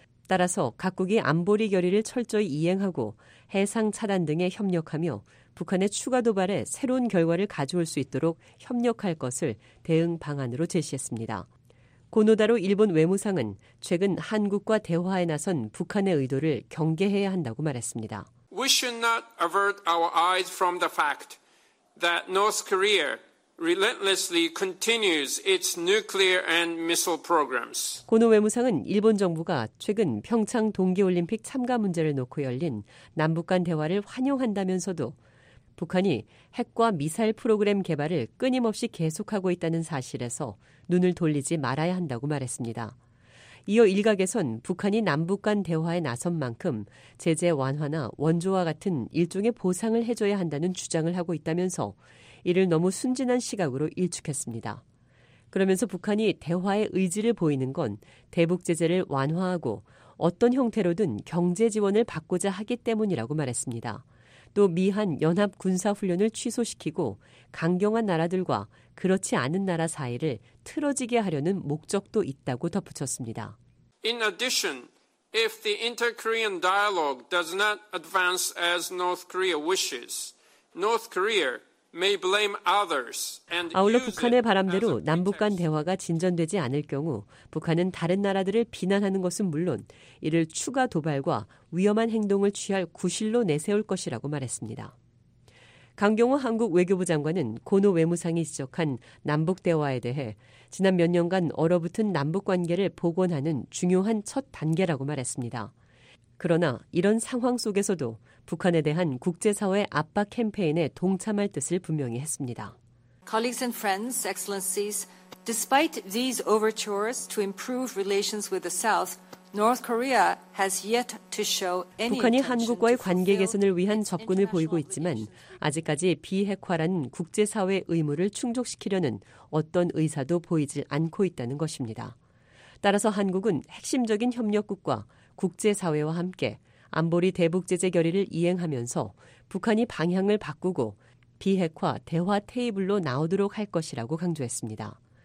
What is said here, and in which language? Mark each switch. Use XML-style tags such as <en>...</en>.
<ko>따라서 각국이 안보리 결의를 철저히 이행하고 해상 차단 등에 협력하며 북한의 추가 도발에 새로운 결과를 가져올 수 있도록 협력할 것을 대응 방안으로 제시했습니다. 고노다로 일본 외무상은 최근 한국과 대화에 나선 북한의 의도를 경계해야 한다고 말했습니다.</ko> <en>We should not avert our eyes from the fact that North Korea relentlessly continues its nuclear and missile programs.</en> <ko>고노 외무상은 일본 정부가 최근 평창 동계올림픽 참가 문제를 놓고 열린 남북 간 대화를 환영한다면서도 북한이 핵과 미사일 프로그램 개발을 끊임없이 계속하고 있다는 사실에서 눈을 돌리지 말아야 한다고 말했습니다. 이어 일각에선 북한이 남북 간 대화에 나선 만큼 제재 완화나 원조와 같은 일종의 보상을 해줘야 한다는 주장을 하고 있다면서 이를 너무 순진한 시각으로 일축했습니다. 그러면서 북한이 대화의 의지를 보이는 건 대북 제재를 완화하고 어떤 형태로든 경제 지원을 받고자 하기 때문이라고 말했습니다. 또 미한 연합 군사훈련을 취소시키고 강경한 나라들과 그렇지 않은 나라 사이를 틀어지게 하려는 목적도 있다고 덧붙였습니다.</ko> <en>In addition, if the inter-Korean dialogue does not advance as North Korea wishes, North Korea may blame others and use it.</en> <ko>아울러 북한의 바람대로 남북 간 대화가 진전되지 않을 경우 북한은 다른 나라들을 비난하는 것은 물론 이를 추가 도발과 위험한 행동을 취할 구실로 내세울 것이라고 말했습니다. 강경호 한국 외교부 장관은 고노 외무상이 지적한 남북 대화에 대해 지난 몇 년간 얼어붙은 남북 관계를 복원하는 중요한 첫 단계라고 말했습니다. 그러나 이런 상황 속에서도 북한에 대한 국제사회 압박 캠페인에 동참할 뜻을 분명히 했습니다.</ko> <en>Colleagues and friends, excellencies, despite these overtures to improve relations with the South, North Korea has yet to show any.</en> <ko>북한이 한국과의 관계 개선을 위한 접근을 보이고 있지만 아직까지 비핵화라는 국제사회 의무를 충족시키려는 어떤 의사도 보이질 않고 있다는 것입니다. 따라서 한국은 핵심적인 협력국과 국제사회와 함께 안보리 대북 제재 결의를 이행하면서 북한이 방향을 바꾸고 비핵화 대화 테이블로 나오도록 할 것이라고 강조했습니다.</ko>